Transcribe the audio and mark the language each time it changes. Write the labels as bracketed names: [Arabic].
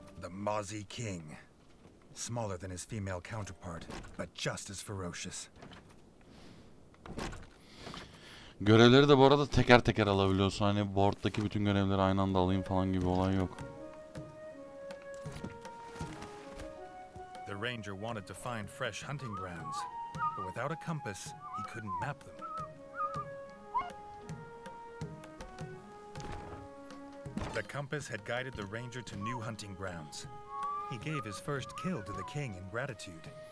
[English] Mozzy King. Smaller than his female counterpart, but just as ferocious. [Turkish] Görevleri de bu arada teker teker alabiliyorsun. Hani board'daki bütün görevleri aynı anda alayım falan gibi olay yok. [English] The ranger wanted to find fresh hunting grounds, but without a compass, he couldn't map them. The compass had guided the ranger to new hunting grounds. He gave his first kill to the king in gratitude.